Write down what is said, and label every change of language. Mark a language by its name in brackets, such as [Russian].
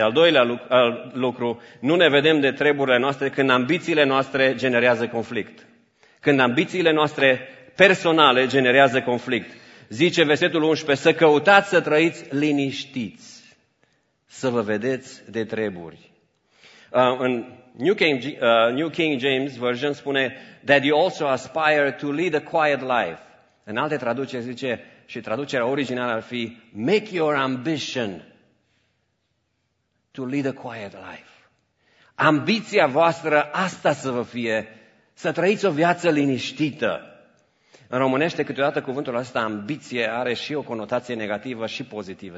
[Romanian] Al doilea lucru, nu ne vedem de treburile noastre când ambițiile noastre generează conflict. Când ambițiile noastre personale generează conflict. Zice versetul 11, să căutați să trăiți liniștiți, să vă vedeți de treburi. [English] În New King James Version spune, that you also aspire to lead a quiet life. [Romanian] În alte traduceri zice, și traducerea originală ar fi, [English] make your ambition to lead a quiet life. [Romanian] Ambiția voastră, asta să vă fie, să trăiți o viață liniștită. În românește, câteodată cuvântul ăsta, ambiție, are și o conotație negativă și pozitivă.